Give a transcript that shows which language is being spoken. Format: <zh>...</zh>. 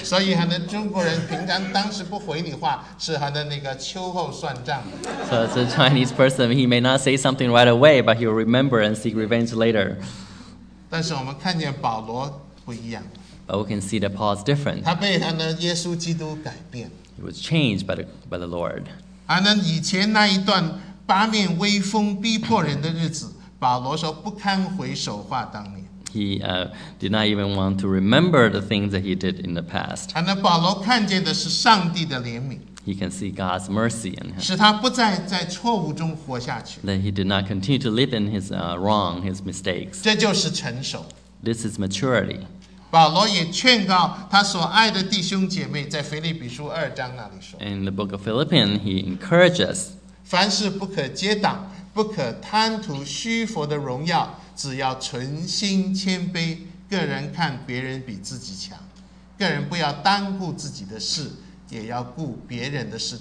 <zh>所以很多中国人平常当时不回你话，是很多那个秋后算账。</zh> <en>So as a Chinese person, he may not say something right away, but he'll remember and seek revenge later.</en> <zh>但是我们看见保罗不一样。</zh> <en>But we can see that Paul's different.</en> <zh>他被他的耶稣基督改变。</zh> <en>He was changed by the Lord.</en> <zh>以前那一段八面威风逼迫人的日子，保罗说不堪回首话当年。</zh> <en>He did not even want to remember the things that he did in the past.</en> <zh>保罗看见的是上帝的怜悯。</zh> <en>He can see God's mercy in him.</en> <zh>使他不再在错误中活下去。</zh> <en>Then he did not continue to live in his wrong, his mistakes.</en> <zh>这就是成熟。</zh> <en>This is maturity.</en> <zh>保罗也劝告他所爱的弟兄姐妹，在腓立比书二章那里说。</zh> <en>In the book of Philippians, he encourages.</en> <zh>凡事不可结党，不可贪图虚浮的荣耀，只要存心谦卑，个人看别人比自己强，个人不要单顾自己的事，也要顾别人的事。</zh>